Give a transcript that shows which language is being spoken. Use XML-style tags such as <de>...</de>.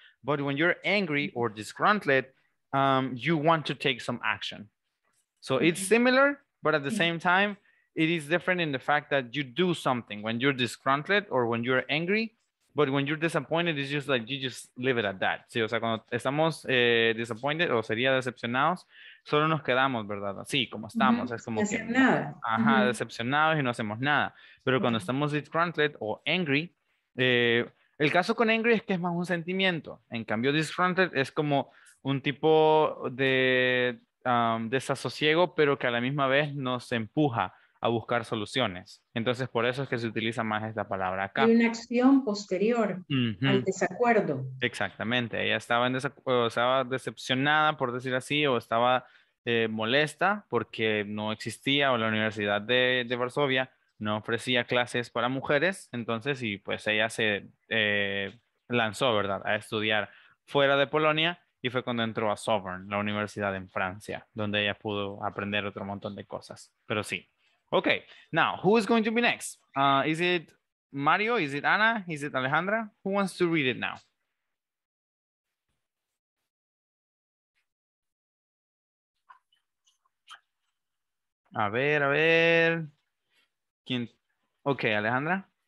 <en>But when you're angry or disgruntled, you want to take some action. So it's similar, but at the same time, it is different in the fact that you do something when you're disgruntled or when you're angry. But when you're disappointed, it's just like you just leave it at that.</en> <es>Sí, o sea, cuando estamos disappointed o sería decepcionados, solo nos quedamos, ¿verdad? Sí, como estamos. Mm-hmm. Es como que, nada. Ajá, mm-hmm. Decepcionados y no hacemos nada. Pero cuando estamos disgruntled o angry, el caso con angry es que es más un sentimiento. En cambio, disgruntled es como un tipo de desasosiego, pero que a la misma vez nos empuja a buscar soluciones. Entonces, por eso es que se utiliza más esta palabra acá. Y una acción posterior uh-huh. al desacuerdo. Exactamente. Ella estaba en estaba decepcionada, por decir así, o estaba molesta porque no existía, o la Universidad de Varsovia no ofrecía clases para mujeres. Entonces, y pues ella se lanzó, ¿verdad?, a estudiar fuera de Polonia. Y fue cuando entró a Sorbonne, la universidad en Francia, donde ella pudo aprender otro montón de cosas. Pero sí.</es> <en>Okay, now, who is going to be next? Is it Mario? Is it Ana? Is it Alejandra? Who wants to read it now?</en> <es>A ver. ¿Quién? Okay, Alejandra.</es>